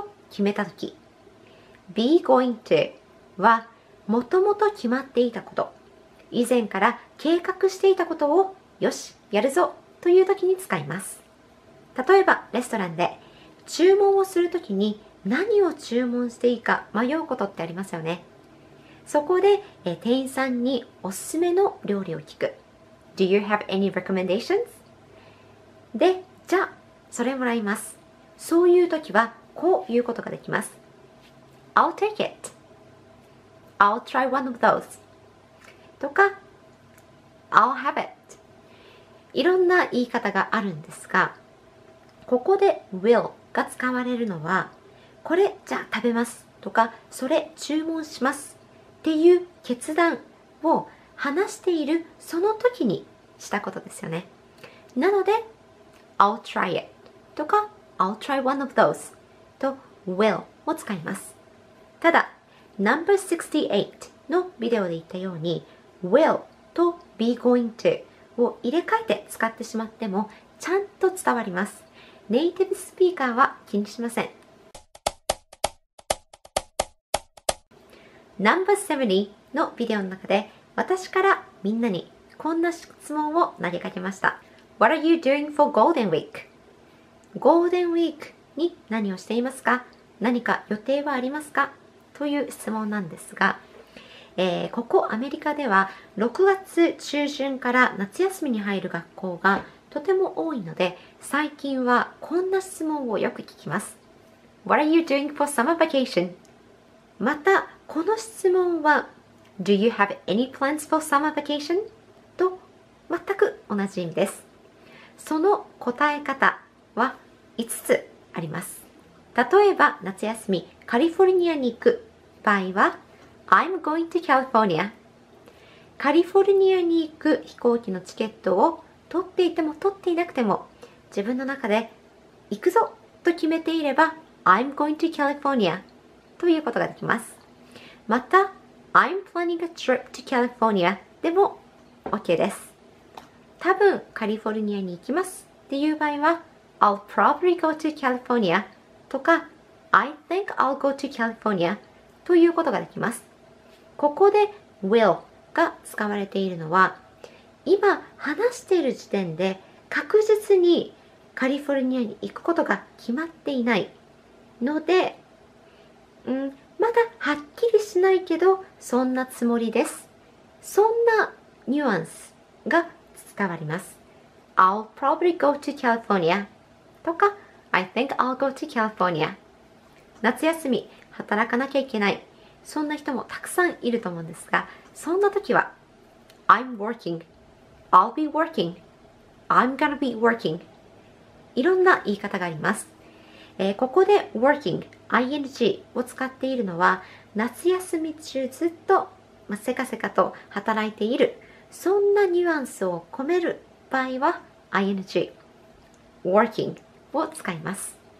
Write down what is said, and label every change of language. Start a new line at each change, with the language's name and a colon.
Japanese: 決めたとき、 be going to はもともと決まっていたこと、以前から計画していたことをよし、やるぞというときに使います。例えばレストランで注文をするときに何を注文していいか迷うことってありますよね。そこで店員さんにおすすめの料理を聞く。
English: Do you have any recommendations?
Japanese: で、じゃあそれもらいます。そういうときはこういうことができます。
English: I'll take it. I'll try one of those.
Japanese: とか
English: I'll have it.
Japanese: いろんな言い方があるんですが、ここで will が使われるのはこれじゃあ食べますとかそれ注文しますっていう決断を話しているその時にしたことですよね。なので
English: I'll try it
Japanese: とか
English: I'll try one of those
Japanese: と will を使います。ただ No.68 のビデオで言ったように will と be going to を入れ替えて使ってしまってもちゃんと伝わります。ネイティブスピーカーは気にしません。 No.70 のビデオの中で私からみんなにこんな質問を投げかけました。
English: What are you doing for Golden Week?
Japanese: ゴールデンウィークに何をしていますか、何か予定はありますかという質問なんですが、ここアメリカでは6月中旬から夏休みに入る学校がとても多いので最近はこんな質問をよく聞きます。
English: What are you doing for summer vacation?
Japanese: またこの質問は
English: Do you have any plans for summer vacation?
Japanese: と全く同じ意味です。その答え方は5つあります。例えば夏休みカリフォルニアに行く場合は
English: I'm going to California。
Japanese: カリフォルニアに行く飛行機のチケットを取っていても取っていなくても自分の中で行くぞと決めていれば
English: I'm going to California
Japanese: ということができます。また
English: I'm planning a trip to California
Japanese: でも OK です。多分カリフォルニアに行きますっていう場合は
English: I'll probably go to California
Japanese: とか
English: I think I'll go to California
Japanese: ということができます。ここで will が使われているのは今話している時点で確実にカリフォルニアに行くことが決まっていないので、まだはっきりしないけどそんなつもりです。そんなニュアンスが伝わります。
English: I'll probably go to Californa
Japanese: とか
English: I think I'll go to California。
Japanese: 夏休み働かなきゃいけない、そんな人もたくさんいると思うんですが、そんな時は
English: I'm working、 I'll be working、 I'm gonna be working、
Japanese: いろんな言い方があります。ここで working、 ing を使っているのは夏休み中ずっと、せかせかと働いている、そんなニュアンスを込める場合は ingworking を使います。